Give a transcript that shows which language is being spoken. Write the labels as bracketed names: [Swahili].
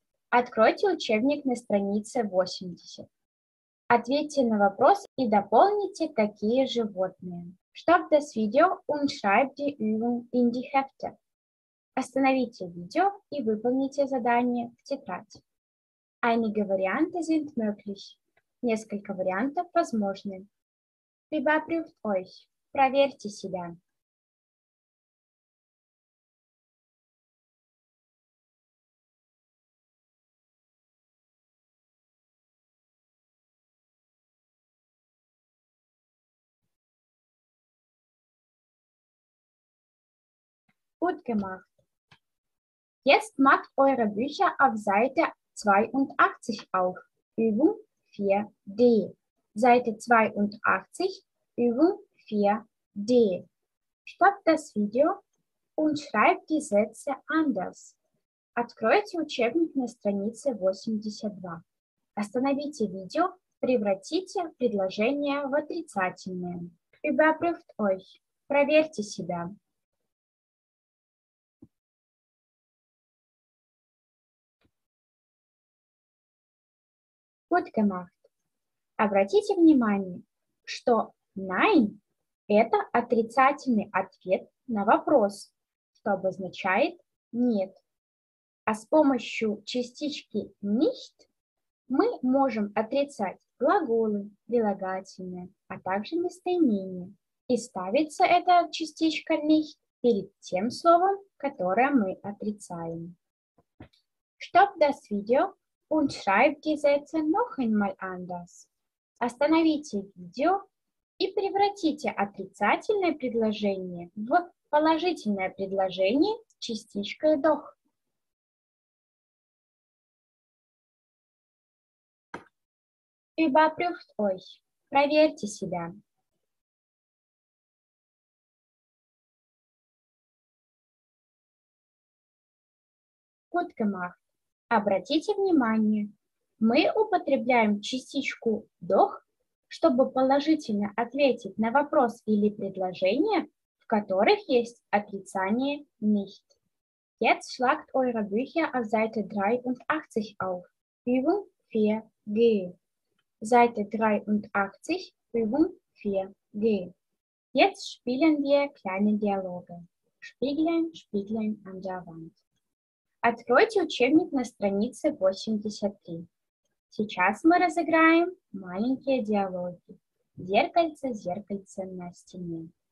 [Russian] Откройте учебник на странице 80. Ответьте на вопрос и дополните, какие животные. [German] Stopp das Video und schreibt die Übung in die Hefte. [Russian] Остановите видео и выполните задание в тетрадь. [German] Einige Varianten sind möglich. [Russian] Несколько вариантов возможны. [German] Überprüft euch. [Russian] Проверьте себя. [German] Gut gemacht. Jetzt macht eure Bücher auf Seite 82 auf. Übung 4d. Seite 82, Übung 4d. Stopp das Video und schreib die Sätze anders. [Russian] Откройте учебник на странице 82. Остановите видео, превратите предложение в отрицательное. [German] Überprüft euch. [Russian] Проверьте себя. [German] Gut gemacht. [Russian] Обратите внимание, что nein – это отрицательный ответ на вопрос, что обозначает нет. А с помощью частички nicht мы можем отрицать глаголы, прилагательные, а также местоимения. И ставится эта частичка nicht перед тем словом, которое мы отрицаем. [German] Stopp das Video und schreib die Sätze noch einmal anders. [Russian] Остановите видео и превратите отрицательное предложение в положительное предложение с частичкой doch. [German] Überprüft euch. [Russian] Проверьте себя. [German] Gut gemacht. [Russian] Обратите внимание, мы употребляем частичку doch, чтобы положительно ответить на вопрос или предложение, в которых есть отрицание nicht. [German] Jetzt schlagt eure Bücher auf Seite 83 auf. Übung 4G. Seite 83, Übung 4G. Jetzt spielen wir kleine Dialoge. Spieglein, Spieglein an der Wand. [Russian] Откройте учебник на странице 83. Сейчас мы разыграем маленькие диалоги. Зеркальце, зеркальце на стене.